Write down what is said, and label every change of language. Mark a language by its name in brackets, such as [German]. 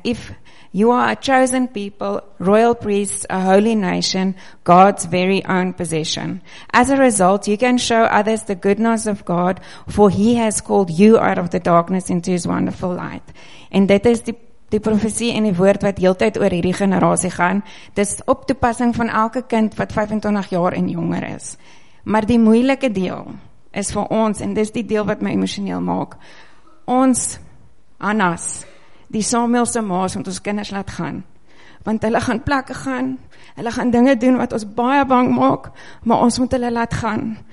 [English] If you are a chosen people, royal priests, a holy nation, God's very own possession. As a result, you can show others the goodness of God, for he has called you out of the darkness into his wonderful light. [Afrikaans] En dit is die profesie en die woord wat heeltyd oor hierdie generasie gaan. Dis op toepassing van elke kind wat 25 jaar en jonger is. Maar die moeilike deel is vir ons, en dis die deel wat my emosioneel maak, ons Annas, die Samuelse maas, want ons kinders laat gaan. Want hulle gaan plekke gaan, hulle gaan dinge doen wat ons baie bang maak, maar ons moet hulle laat gaan.